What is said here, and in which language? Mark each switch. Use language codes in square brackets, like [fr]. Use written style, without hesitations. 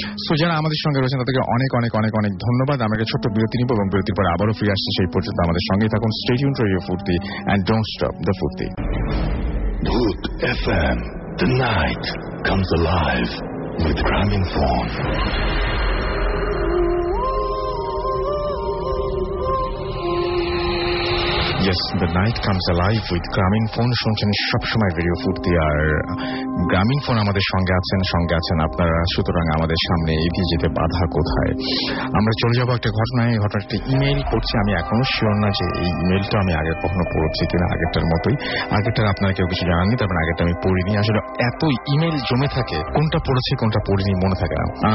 [bn] So যারা আমাদের সঙ্গে রয়েছেন তাদেরকে অনেক অনেক অনেক অনেক ধন্যবাদ। আমাকে ছোট্ট বিরতি নিব এবং বিরতির পর আবারও ফিরে আসছি, সেই পর্যন্ত আমাদের সঙ্গে থাকুন, [en] Stay tune to radio Foorti and don't stop the Foorti. Bhoot FM, the night comes alive with Gramophone. Yes, the night comes alive with Gramophone. [bn] শুনছেন সবসময় রেডিও ফুর্তি, আর গ্রামীণফোন আমাদের সঙ্গে আছেন, সঙ্গে আছেন আপনারা, সুতরাং আমাদের সামনে এগিয়ে যেতে বাধা কোথায়। আমরা চলে যাবো একটা ঘটনায়, ঘটনাটি ইমেইল পড়ছি, আমি এখনো শিওর না যে এই ইমেইলটা আমি আগে কখনো পড়ছি কিনা, আগেরটার মতোই, আগেরটা আপনারা কেউ কিছু জানাননি, তারপর আগেরটা আমি পড়িনি, আসলে এতই ইমেইল জমে থাকে, কোনটা পড়েছি কোনটা পড়িনি মনে থাকে না।